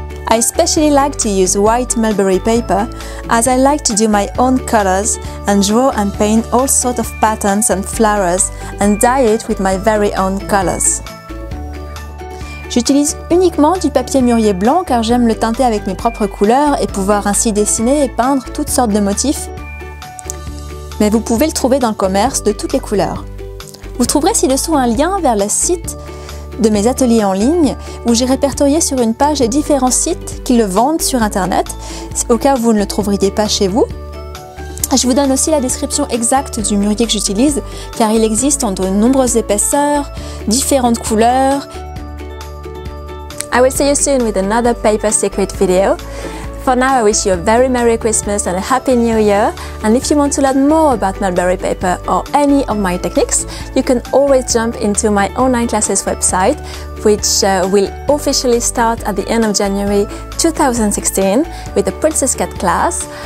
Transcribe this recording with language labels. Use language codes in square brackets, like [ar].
[en] I especially like to use white mulberry paper as I like to do my own colors and draw and paint all sorts of patterns and flowers and dye it with my very own colors. [fr] J'utilise uniquement du papier mûrier blanc car j'aime le teinter avec mes propres couleurs et pouvoir ainsi dessiner et peindre toutes sortes de motifs. Mais vous pouvez le trouver dans le commerce de toutes les couleurs. Vous trouverez ci-dessous un lien vers le site de mes ateliers en ligne où j'ai répertorié sur une page les différents sites qui le vendent sur internet au cas où vous ne le trouveriez pas chez vous. Je vous donne aussi la description exacte du mûrier que j'utilise car il existe en de nombreuses épaisseurs, différentes couleurs. [en] I will see you soon with another paper secret video. For now, I wish you a very Merry Christmas and a Happy New Year. And if you want to learn more about mulberry paper or any of my techniques, you can always jump into my online classes website, which will officially start at the end of January 2016 with the Princess Cat class.